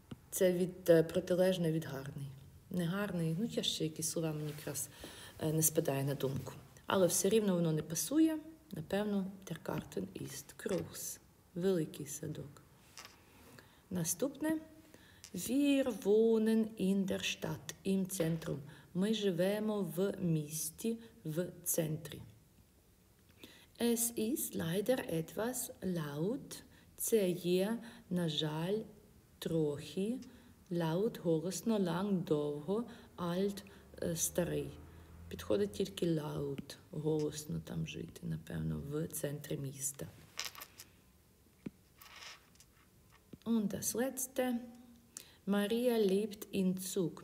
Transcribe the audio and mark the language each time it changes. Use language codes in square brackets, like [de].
[uk] Це від протилежне від гарний. Негарний, ну я ще якісь слова мені якраз не спадає на думку. Але все рівно воно не пасує. [de] Напевно, der Garten ist groß. [uk] Великий садок. Наступне. [de] Wir wohnen in der Stadt, im Zentrum. [uk] Ми живемо в місті, в центрі. [de] Es ist leider etwas laut. [uk] Це є, на жаль, трохи. Laut, голосно, lang, довго, alt, старий. Підходить тільки laut, голосно там жити, напевно, в центрі міста. [de] Und das letzte. Maria lebt in Zug.